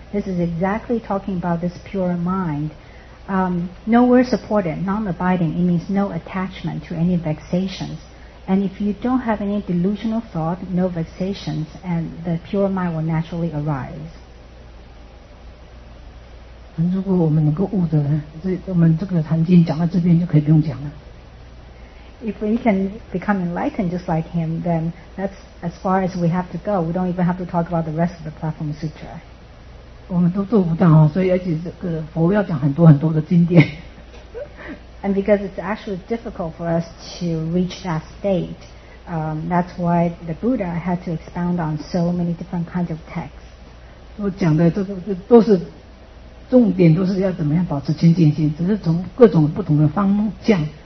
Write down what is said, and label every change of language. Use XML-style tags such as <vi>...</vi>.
<en>This is exactly talking about this pure mind. Nowhere supported, non-abiding, it means no attachment to any vexations. And if you don't have any delusional thought, no vexations, and the pure mind will naturally arise.</en> <zh>如果我们能够悟的呢，我们这个禅经讲到这边就可以不用讲了。</zh> <en>If we can become enlightened just like him, then that's as far as we have to go. We don't even have to talk about the rest of the Platform Sutra.</en> <zh>我们都做不到，所以而且这个佛要讲很多很多的经典。</zh> <en>And because it's actually difficult for us to reach that state, that's why the Buddha had to expound on so many different kinds of texts.</en> <zh>我讲的都是重点，都是要怎么样保持清净心，只是从各种不同的方向。</zh>